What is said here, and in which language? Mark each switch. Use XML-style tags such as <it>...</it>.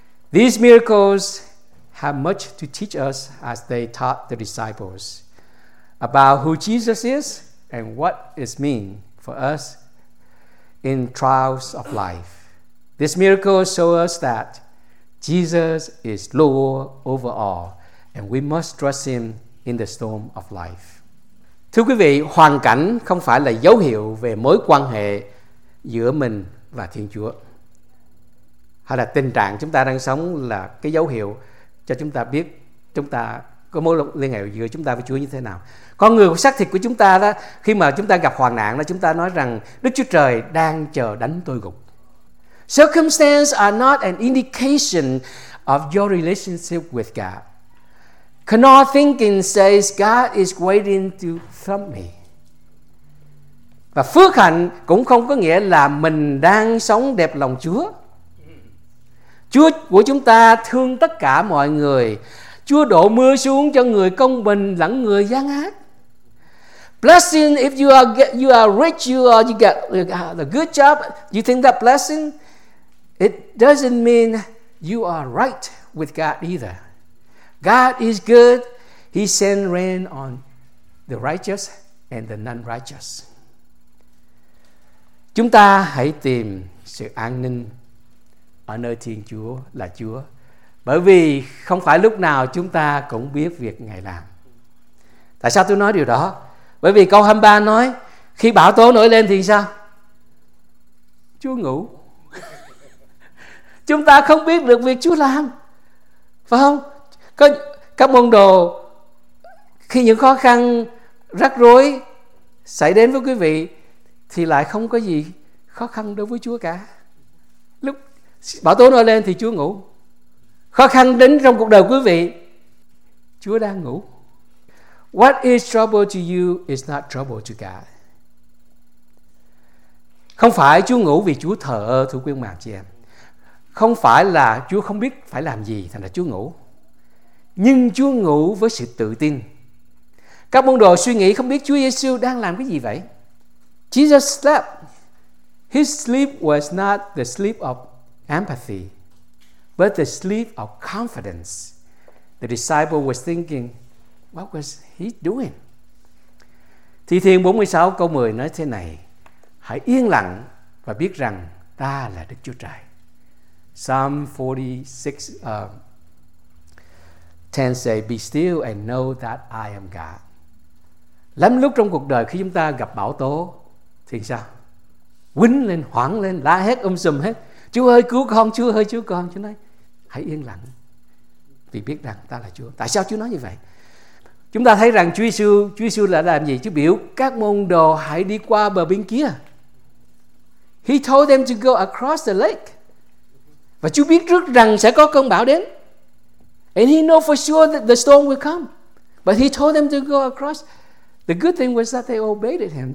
<en>These miracles have much to teach us as they taught the disciples about who Jesus is and what it means for us in trials of life. This miracle shows us that Jesus is Lord over all, and we must trust him in the storm of life.</en> <vi>Thưa quý vị, hoàn cảnh không phải là dấu hiệu về mối quan hệ giữa mình và Thiên Chúa. Hay là tình trạng chúng ta đang sống là cái dấu hiệu cho chúng ta biết chúng ta có mối liên hệ giữa chúng ta với Chúa như thế nào. Con người xác thịt của chúng ta đó, khi mà chúng ta gặp hoạn nạn đó, chúng ta nói rằng Đức Chúa Trời đang chờ đánh tôi gục.</vi> <en>Circumstances are not an indication of your relationship with God. Cannot thinking says God is waiting to thump me.</en> <vi>Và phước hạnh cũng không có nghĩa là mình đang sống đẹp lòng Chúa. Chúa của chúng ta thương tất cả mọi người. Chúa đổ mưa xuống cho người công bình lẫn người gian ác.</vi> <en>Blessing if you are rich, you get a good job, you think that blessing, it doesn't mean you are right with God either. God is good. He sends rain on the righteous and the non-righteous.</en> <vi>Chúng ta hãy tìm sự an ninh ở nơi Thiên Chúa là Chúa, bởi vì không phải lúc nào chúng ta cũng biết việc Ngài làm. Tại sao tôi nói điều đó? Bởi vì câu 23 nói khi bão tố nổi lên thì sao? Chúa ngủ. Chúng ta không biết được việc Chúa làm, phải không? Các môn đồ khi những khó khăn rắc rối xảy đến với quý vị thì lại không có gì khó khăn đối với Chúa cả. Lúc bão tố nổi lên thì Chúa ngủ. Khó khăn đến trong cuộc đời quý vị, Chúa đang ngủ.</vi> <en>What is trouble to you is not trouble to God.</en> <vi>Không phải Chúa ngủ vì Chúa thờ ơ, thưa quý ông bà chị em. Không phải là Chúa không biết phải làm gì thành ra Chúa ngủ. Nhưng Chúa ngủ với sự tự tin. Các môn đồ suy nghĩ không biết Chúa Giêsu đang làm cái gì vậy.</vi> <en>Jesus slept. His sleep was not the sleep of empathy, but the sleep of confidence. The disciple was thinking, what was he doing?</en> <vi>Thi Thiên 46 câu 10 nói thế này: Hãy yên lặng và biết rằng ta là Đức Chúa Trời.</vi> <en>Psalm 46 10 say, be still and know that I am God.</en> <vi>Lắm lúc trong cuộc đời khi chúng ta gặp bão tố thì sao? Quýnh lên, hoảng lên, la hét sùm hết. Chúa ơi cứu con, Chúa ơi cứu con. Chúa nói, hãy yên lặng vì biết rằng ta là Chúa. Tại sao Chúa nói như vậy? Chúng ta thấy rằng Chúa Giêsu là làm gì? Chúa biểu các môn đồ hãy đi qua bờ bên kia.</vi> <en>He told them to go across the lake.</en> <vi>Và Chúa biết trước rằng sẽ có cơn bão đến.</vi> <en>And he know for sure that the storm will come. But he told them to go across. The good thing was that they obeyed him.</en>